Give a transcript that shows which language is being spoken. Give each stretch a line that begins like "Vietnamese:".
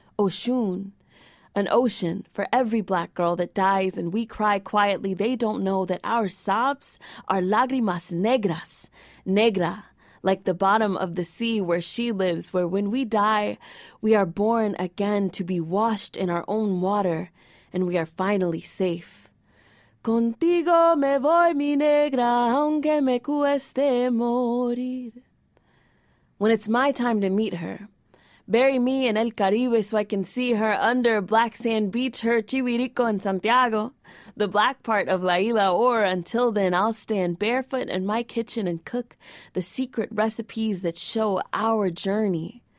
English: Oshun, an ocean for every black girl that dies and we cry quietly. They don't know that our sobs are
Spanish: lagrimas negras, negra,
English: like the bottom of the sea where she lives, where when we die, we are born again to be washed in our own water and we are finally safe.
Spanish: Contigo me voy, mi negra, aunque me cueste morir.
English: When it's my time to meet her, bury me in El Caribe so I can see her under Black Sand Beach, her Chivirico in Santiago, the black part of La Isla, or until then, I'll stand barefoot in my kitchen and cook the secret recipes that show our journey.